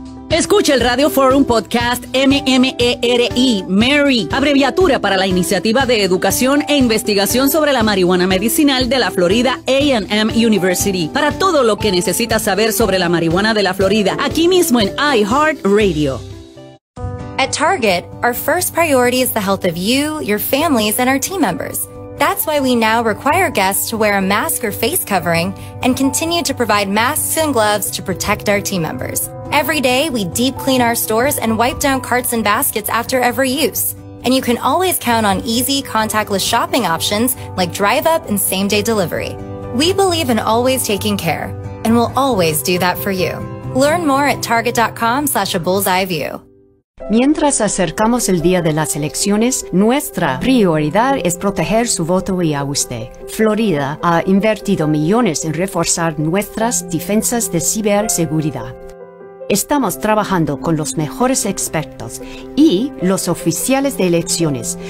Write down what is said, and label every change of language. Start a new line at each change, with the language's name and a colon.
Spanish: Escucha el Radio Forum Podcast MMERI, MERI, abreviatura para la Iniciativa de Educación e Investigación sobre la Marihuana Medicinal de la Florida A&M University. Para todo lo que necesitas saber sobre la marihuana de la Florida, aquí mismo en iHeartRadio.
English: At Target, our first priority is the health of you, your families, and our team members. That's why we now require guests to wear a mask or face covering and continue to provide masks and gloves to protect our team members. Every day, we deep clean our stores and wipe down carts and baskets after every use. And you can always count on easy, contactless shopping options like drive-up and same-day delivery. We believe in always taking care, and we'll always do that for you. Learn more at target.com/abullseyeview.
Spanish: Mientras acercamos el día de las elecciones, nuestra prioridad es proteger su voto y a usted. Florida ha invertido millones en reforzar nuestras defensas de ciberseguridad. Estamos trabajando con los mejores expertos y los oficiales de elecciones.